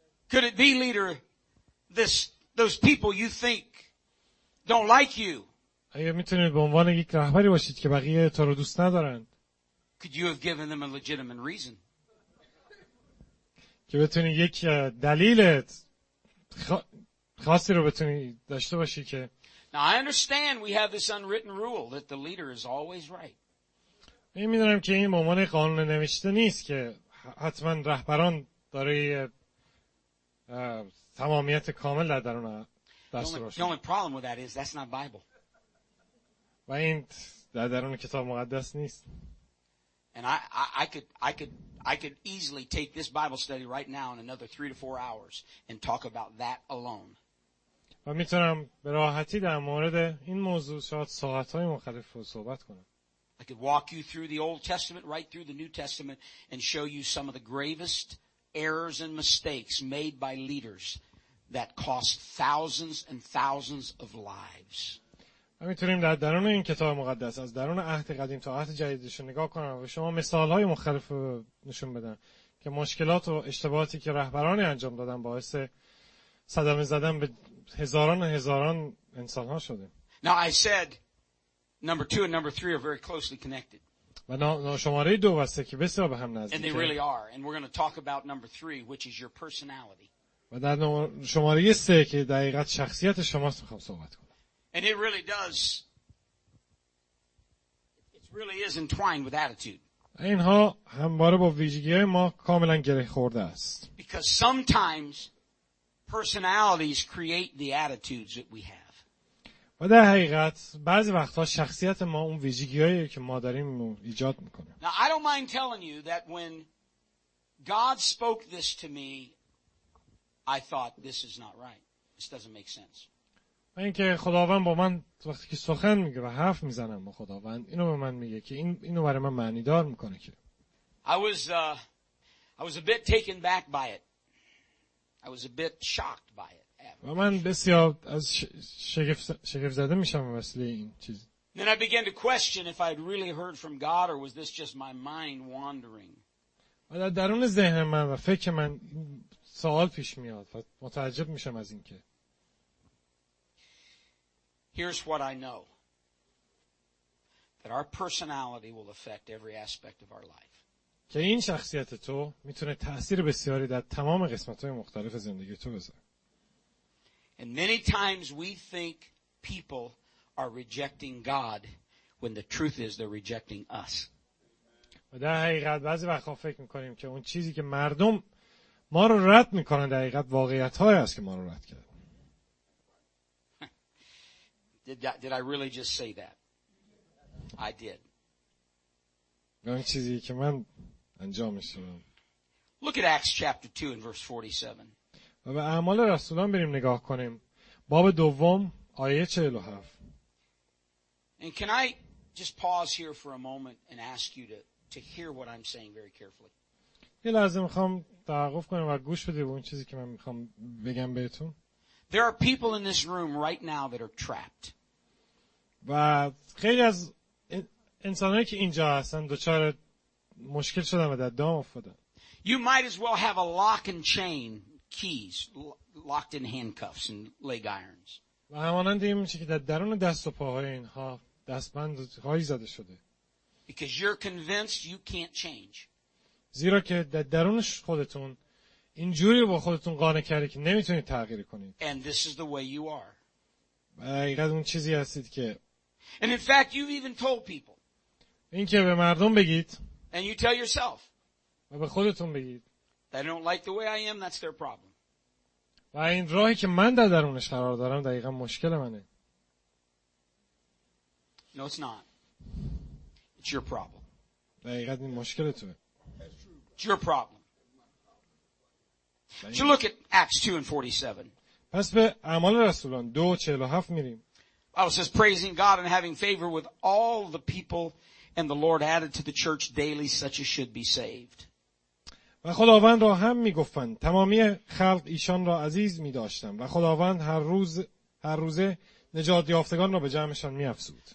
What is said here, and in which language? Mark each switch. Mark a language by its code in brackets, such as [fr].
[en] Could it be, leader, those people you think don't like you? [fa] اگه میتونید به عنوان یک رهبری باشید که بقیه تو رو دوست ندارند. [en] Could you have given them a legitimate reason? [fa] که بتونی یک دلیلت خاصی رو بتونی داشته باشی که [en] Now I understand we have this unwritten rule that the leader is always right. [fa] من می‌دونم که این به عنوان قانون نوشته نیست که حتما رهبران داره تمامیت کامل در درون دستور باشه. [en] The only problem with that is that's not Bible. [fa] و این در درون کتاب مقدس نیست. [en] And I could easily take this Bible study right now in another 3 to 4 hours and talk about that alone. [fa] و میتونم به راحتی در مورد این موضوع شاید ساعت‌های مختلف رو صحبت کنم. [en] I could walk you through the Old Testament right through the New Testament and show you some of the gravest errors and mistakes made by leaders that cost thousands and thousands of lives. [fa] ما میتونیم در درون این کتاب مقدس از درون عهد قدیم تا عهد جدیدش نگاه کنم و شما مثال‌های مختلف رو نشون بدم که مشکلات و اشتباهاتی که رهبران انجام دادن باعث صدمه زدن به هزاران و هزاران انسان ها شده. [en] Now I said number 2 and number 3 are very closely connected. [fa] و نه شماره 2 و 3 که بسیار به هم نزدیکه. [en] And they really are and we're going to talk about number 3 which is your personality. [fa] و در شماره 3 که دقیقاً شخصیت شماست می‌خوام صحبت کنم. [en] And it really does it really is entwined with attitude. [fa] اینها همواره با ویژگی‌های ما کاملا گره خورده است. [en] Because sometimes personalities create the attitudes that we have. [fa] و در حقیقت بعضی وقتا شخصیت ما اون ویژگی‌هایی که ما داریم ایجاد می‌کنه. [en] Now I don't mind telling you that when God spoke this to me, I thought this is not right. This doesn't make sense. [fa] من که خداوند با من وقتی که سخن میگه و حرف میزنم با خداوند اینو به من میگه که اینو برای من معنی دار می‌کنه که. [en] I was a bit taken back by it. I was a bit shocked by it. [fa] و من بسیار از شگفت زده میشم وصله این چیز. [en] Then I began to question if I had really heard from God or was this just my mind wandering. [fa] و در درون ذهن من و فکر من سوال پیش میاد و متعجب میشم از اینکه. [en] Here's what I know. That our personality will affect every aspect of our life. [fa] که این شخصیت تو میتونه تأثیر بسیاری در تمام قسمت‌های مختلف زندگی تو بذاره. [en] And many times we think people are rejecting God when the truth is they're rejecting us. [fa] و در حقیقت بعضی وقتا فکر می‌کنیم که اون چیزی که مردم ما رو رد می‌کنه در حقیقت واقعیت‌هایی است که ما رو رد کرده. [en] Did I really just say that? I did. [fa] اون چیزی که من انجامش دادم. [en] Look at Acts chapter 2 and verse 47. [fa] و به اعمال رسولان بریم نگاه کنیم. باب دوم آیه 47. [en] And can I just pause here for a moment and ask you to hear what I'm saying very carefully. [fa] یه لحظه میخوام توقف کنم و گوش بدید به اون چیزی که من میخوام بگم بهتون. [en] There are people in this room right now that are trapped. [fa] و خیلی از انسانایی که اینجا هستن دچار مشکل شدن و در دام افتادن. [en] You might as well have a lock and chain keys locked in handcuffs and leg irons. [fa] و همانند این میشه که در درون دست و پاهای اینها دستبند هایی زده شده. [en] Because you're convinced you can't change. [fa] زیرا که در درونش خودتون اینجوری با خودتون قانع کردی که نمیتونید تغییر کنید. [en] And this is the way you are. [fa] و اینقدر اون چیزی هستید که. [en] And in fact, you've even told people. [fa] این که به مردم بگید. [en] And you tell yourself. [fa] و به خودتون بگید. [en] They don't like the way I am. That's their problem. [fa] و این راهی که من در درونش قرار دارم دقیقا مشکل منه. [en] No, it's not. It's your problem. [fa] دقیقا این مشکل توه. [en] It's your problem. So look at Acts 2 and 47. [fa] پس به اعمال رسولان 2 و 47 میریم. [en] Paul says, praising God and having favor with all the people, and the Lord added to the church daily such as should be saved. [fa] و خداوند را هم میگفتند تمامی خلق ایشان را عزیز می‌داشتند و خداوند هر روزه نجات یافتگان را به جمعشان می‌افزود.